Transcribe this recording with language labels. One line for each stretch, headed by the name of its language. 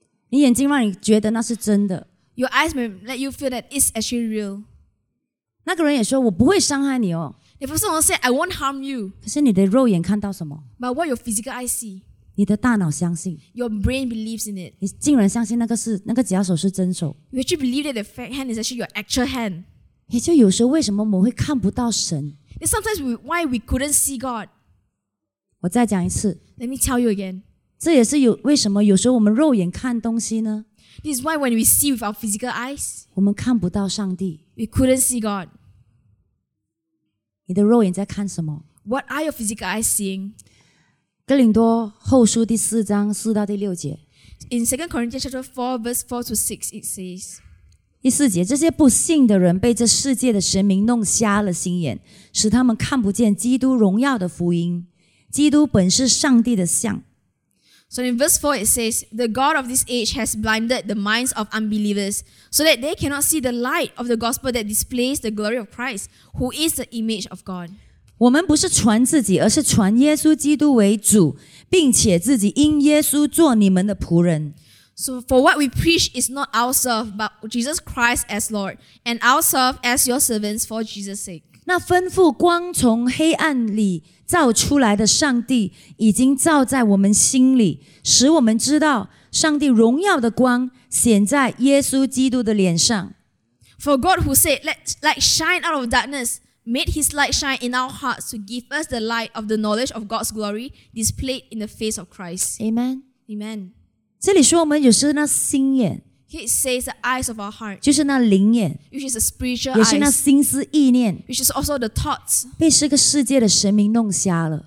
Chinese: 你眼睛让你觉得那是真的。
English: Your eyes may let you feel that it's actually real。
Chinese: 那个人也说：“我不会伤害你哦。
English: ”The person said, "I won't harm you."
Chinese: 可是你的肉眼看到什么
English: ？But what your physical eyes see？
Chinese: 你的大脑相信。
English: Your brain believes in it.
Chinese: 你竟然相信那个是那个假手是真手。
English: You actually believe that the fake hand is actually your actual hand.
Chinese: 也就有时候为什么我们会看不到神
English: ？Sometimes we, why we couldn't see God.
Chinese: 我再讲一次。
English: Let me tell you again.
Chinese: 这也是有为什么有时候我们肉眼看东西呢
English: ？This is why when we see with our physical eyes.
Chinese: 我们看不到上帝。
English: We couldn't see God.
Chinese: 你的肉眼在看什么
English: ？What are your physical eyes seeing?
Chinese: 哥林多后书第四章四到第六节
English: In 2 Corinthians 4 verse 4 to 6 it says
Chinese: 第四节这些不信的人被这世界的神明弄瞎了心眼使他们看不见基督荣耀的福音基督本是上帝的像
English: So in verse 4 it says The God of this age has blinded the minds of unbelievers so that they cannot see the light of the gospel that displays the glory of Christ who is the image of God
Chinese: 我们不是传自己，而是传耶稣基督为主，并且自己因耶稣做你们的仆人。
English: So for what we preach is not ourselves, but Jesus Christ as Lord, and ourselves as your servants for Jesus' sake.
Chinese: 那吩咐光从黑暗里照出来的上帝，已经照在我们心里，使我们知道上帝荣耀的光显在耶稣基督的脸上。
English: For God who said, "Let light shine out of darkness." Made his light shine in our hearts to give us the light of the knowledge of God's glory displayed in the face of Christ. Amen. Amen.
Chinese: 这里说我们有时那心眼
English: He says the eyes of our heart.
Chinese: 就是那灵眼
English: Which is a spiritual eyes.
Chinese: 也是那心思意念
English: Which is also the thoughts.
Chinese: 被这个世界的神明弄瞎了